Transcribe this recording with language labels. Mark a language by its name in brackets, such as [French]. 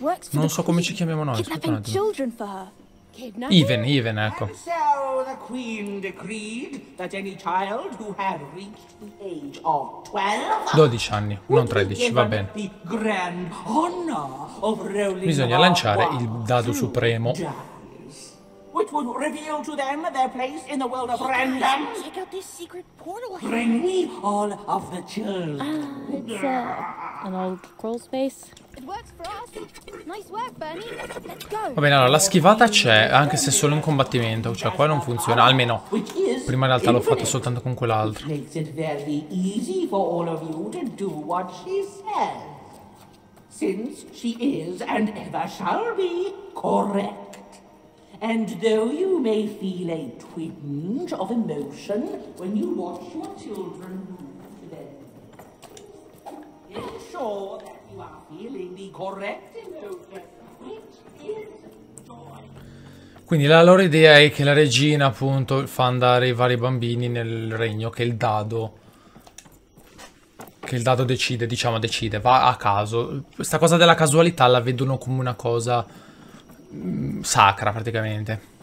[Italian] Non so come ci chiamiamo noi, aspetta un attimo. Even, ecco. [English] And so the queen decreed that any child who had reached the age of [Italian] 12 anni, non 13, va bene. Bisogna lanciare il dado supremo. [English] Which would reveal to them their place in the world of random. Check out this secret portal. Bring me all of the children. An old crawl space. It works for us. Nice work, Bernie. Let's go. [Italian] Va bene, allora, la schivata c'è, anche se solo un combattimento. Cioè, qua non funziona, almeno. Prima in realtà l'ho fatto soltanto con quell'altro. [English] Makes it very easy for all of you to do what she says. Since she is and ever shall be correct. And though you may feel a twinge of emotion when you watch your children move them, make sure that you are feeling the correct emotion, which is... [Italian] Quindi la loro idea è che la regina appunto fa andare i vari bambini nel regno, che il dado... che il dado decide, diciamo decide, va a caso. Questa cosa della casualità la vedono come una cosa... sacra praticamente.